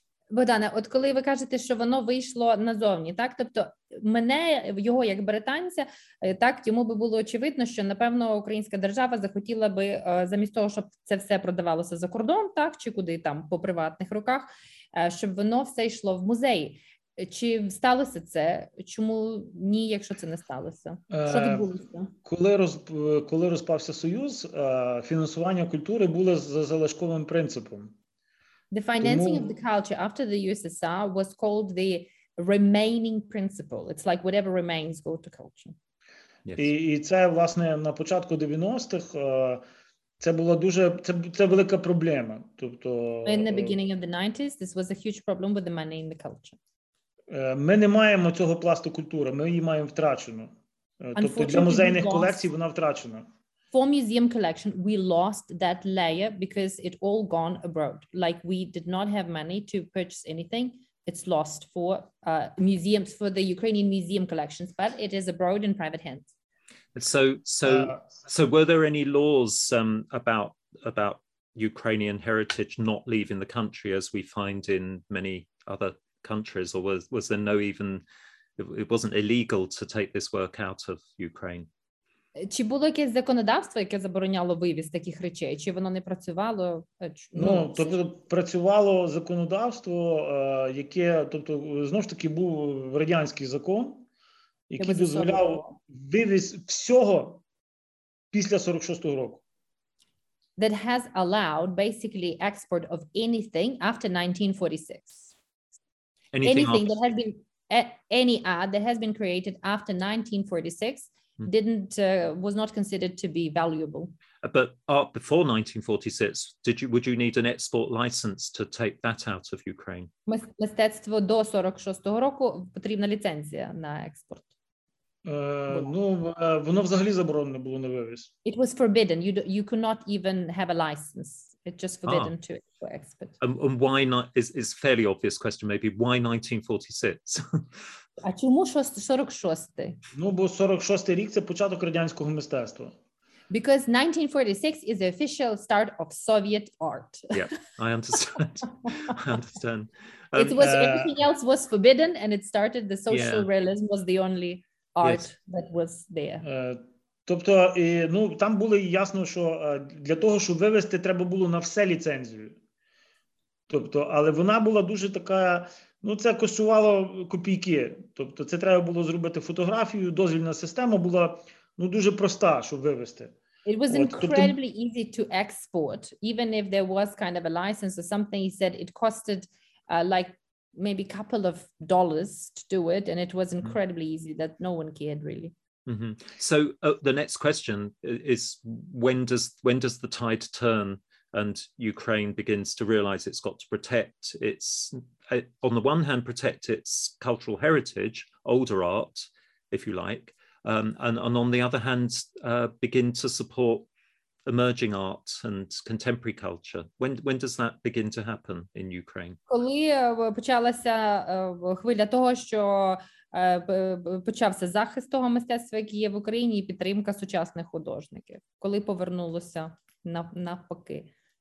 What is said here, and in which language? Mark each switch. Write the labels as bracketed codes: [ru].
[uk] Богдане, от коли ви кажете, що воно вийшло назовні, так, тобто мене, його як британця, так, йому би було очевидно, що, напевно, українська держава захотіла би, замість того, щоб це все продавалося за кордон, так, чи куди там, по приватних руках, щоб воно все йшло в музеї. Чи сталося це? Чому ні, якщо це не сталося? Що відбулося? Коли розпався Союз, фінансування культури було за залишковим принципом. [en] The financing of the culture after the USSR was called the remaining principle. It's like whatever remains go to culture. [uk] Yes. І це, власне, на початку 90-х Це була дуже це велика проблема. Тобто [en] in the beginning of the 90s, this was a huge problem with the money in the culture. [uk] Ми не маємо цього пласту культури, ми її маємо втрачену. Тобто для музейних колекцій вона втрачена. [en] For museum collection, we lost that layer because it all gone abroad. Like we did not have money to purchase anything. It's lost for museums, for the Ukrainian museum collections, but it is abroad in private hands. So were there any laws about Ukrainian heritage not leaving the country as we find in many other countries, or was there no even, it wasn't illegal to take this work out of Ukraine? [uk] Чи було якесь законодавство, яке забороняло вивіз таких речей? Чи воно не працювало? Ну, тобто працювало законодавство, яке, тобто, знову ж таки, був радянський закон, який дозволяв вивіз всього після 46-го року. [en] That has allowed basically export of anything after 1946. Anything that has been any art that has been created after 1946 didn't was not considered to be valuable. But art before 1946, would you need an export license to take that out of Ukraine? [uk] Мистецтво до 46-го року потрібна ліцензія на експорт. Ну, воно взагалі заборонено було на вивіз. [en] It was forbidden. You could not even have a license. It's just forbidden to export. And why not? Is fairly obvious question, maybe. Why 1946? [uk] А чому 46-й? Ну, бо 46-й рік – це початок радянського мистецтва. [en] Because 1946 is the official start of Soviet art. Yeah, I understand. I understand. It was everything else was forbidden, and it started the social realism was the only art that was there. [uk] Тобто, ну, там було ясно, що для того, щоб вивезти, треба було на все ліцензію. Тобто, але вона була дуже така, ну, це коштувало копійки. Тобто, це треба було зробити фотографію, дозвільна система була, ну, дуже проста, щоб вивезти. [en] It was incredibly easy to export, even if there was kind of a license or something. He said it costed like maybe a couple of dollars to do it, and it was incredibly easy that no one cared really. Mm-hmm. So the next question is, when does the tide turn and Ukraine begins to realize it's got to protect its, on the one hand, protect its cultural heritage, older art, if you like, and on the other hand, begin to support emerging art and contemporary culture. When does that begin to happen in Ukraine? [uk] Коли почалася хвиля того, що почався захист того мистецтва, яке є в Україні, і підтримка сучасних художників. Коли повернулося навпаки?